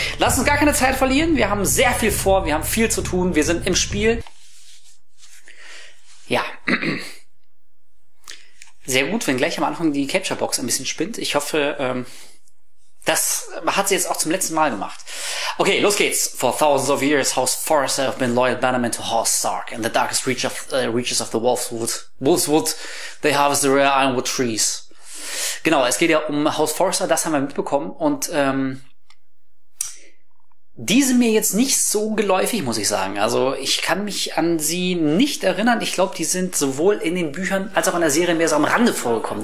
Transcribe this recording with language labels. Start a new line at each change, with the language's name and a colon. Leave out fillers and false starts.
German: Lass uns gar keine Zeit verlieren, wir haben sehr viel vor, wir haben viel zu tun, wir sind im Spiel. Ja. Sehr gut, wenn gleich am Anfang die Capture-Box ein bisschen spinnt. Ich hoffe, das hat sie jetzt auch zum letzten Mal gemacht. Okay, los geht's.
English: For thousands of years, House Forrester have been loyal bannermen to House Stark. In the darkest reaches of the Wolfswood, they harvest the rare ironwood trees.
German: Genau, es geht ja um House Forrester, das haben wir mitbekommen. Und die sind mir jetzt nicht so geläufig, muss ich sagen. Also ich kann mich an sie nicht erinnern. Ich glaube, die sind sowohl in den Büchern als auch in der Serie mehr so am Rande vorgekommen.